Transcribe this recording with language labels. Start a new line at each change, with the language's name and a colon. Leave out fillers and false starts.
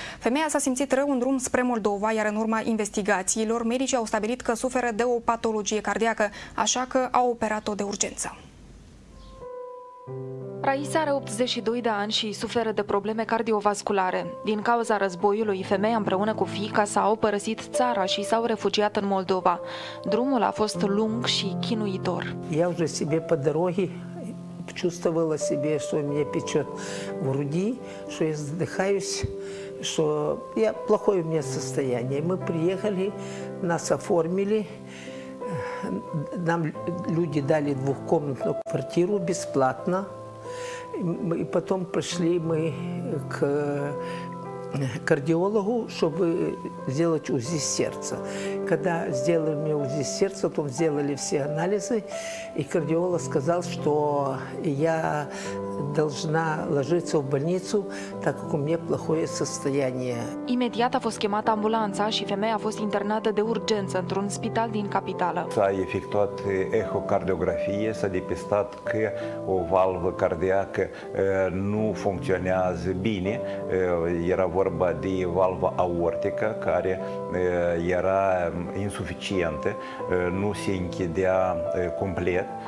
Romanian: Femeia s-a simțit rău în drum spre Moldova, iar în urma investigațiilor, medicii au stabilit că suferă de o patologie cardiacă, așa că au operat-o de urgență. Raisa are 82 de ani și suferă de probleme cardiovasculare. Din cauza războiului, femeia împreună cu fiica s-au părăsit țara și s-au refugiat în Moldova. Drumul a fost lung și chinuitor.
Ukrainian: Я вже себе по дорозі чувствувала себе, що мені пече в груді, що я здихаюсь, що я
Russian: плохое у меня состояние.
Ukrainian: Ми приїхали, нас оформили.
Russian: Нам люди дали двухкомнатну квартиру бесплатно. И потом пришли мы к кардиологу, чтобы сделать УЗИ сердца. Когда сделали мне УЗИ сердца, то сделали все анализы, и кардиолог сказал, что я должна ложиться в больницу, так как у меня плохое состояние.
Romanian: Imediat a fost chemată ambulanța și femeia a fost internată de urgență într-un spital din capitală. S-a efectuat ecocardiografie, s-a depistat că o valvă cardiacă nu funcționează bine. Era vorba de valvă aortică care era insuficientă, nu se închidea complet.